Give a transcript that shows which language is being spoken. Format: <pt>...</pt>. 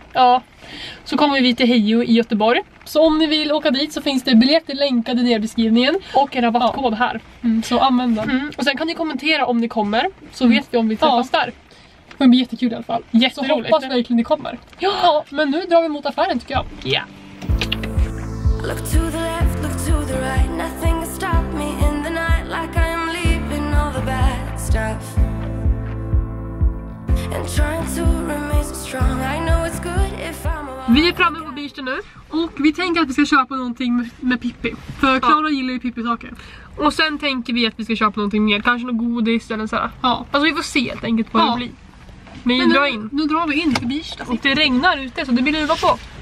<sv>Ja, så kommer vi till Heio i Göteborg. Så om ni vill åka dit så finns det biljetter länkade ner i beskrivningen. Och en rabattkod här. Mm, så använd den. Och sen kan ni kommentera om ni kommer, så vet vi om vi träffas där. Det blir jättekul i alla fall. Jätteroligt. Så hoppas verkligen ni kommer. Ja, men nu drar vi mot affären tycker jag. Ja. Yeah.</sv> <en>Look to the left, look to the right. Nothing can stop me in the night. Like I am leaving all the bad stuff. And trying to remain so strong. I know it's good if I'm alone.</en> <sv>Vi är framme på Birsten nu. Och vi tänker att vi ska köpa någonting med Pippi. För Klara gillar ju Pippi-saker. Och sen tänker vi att vi ska köpa någonting mer. Kanske något godis eller sådär. Ja. Alltså vi får se helt enkelt vad det blir. Men nu, drar in. Nu drar vi in till Birsten. Och det regnar ute så det blir luva på.</sv>